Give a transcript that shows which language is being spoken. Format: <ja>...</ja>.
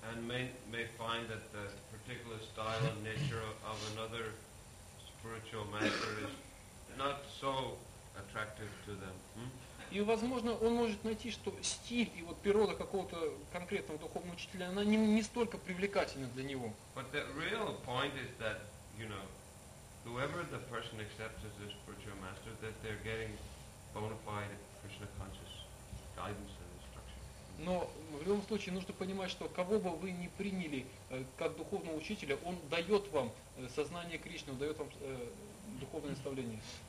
<en>And may find that the particular style and nature of another spiritual master is not so attractive to them.</en> <ru>И, возможно, он может найти, что стиль и вот природа какого-то конкретного духовного учителя, она не столько привлекательна для него.</ru> <en>But the real point is that, you know, whoever the person accepts as a spiritual master, that they're getting bona fide Krishna conscious guidance and instruction.</en> <ru>Но в любом случае нужно понимать, что кого бы вы ни приняли как духовного учителя, он дает вам сознание Кришны, он дает вам духовное наставление.</ru>